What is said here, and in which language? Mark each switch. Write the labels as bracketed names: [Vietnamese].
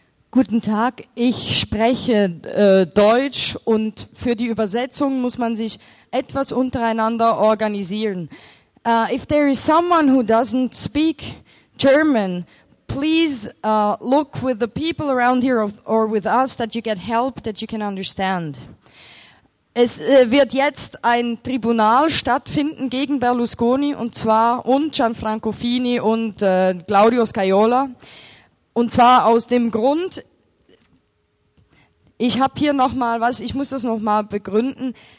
[German] Guten Tag, ich spreche Deutsch und für die Übersetzung muss man sich etwas untereinander organisieren. [English] If there is someone who doesn't speak German, please look with the people around here or with us that you get help, that you can understand. [German] Es wird jetzt ein Tribunal stattfinden gegen Berlusconi und zwar und Gianfranco Fini und Claudio Scajola. Und zwar aus dem Grund, ich habe hier nochmal was, ich muss das nochmal begründen.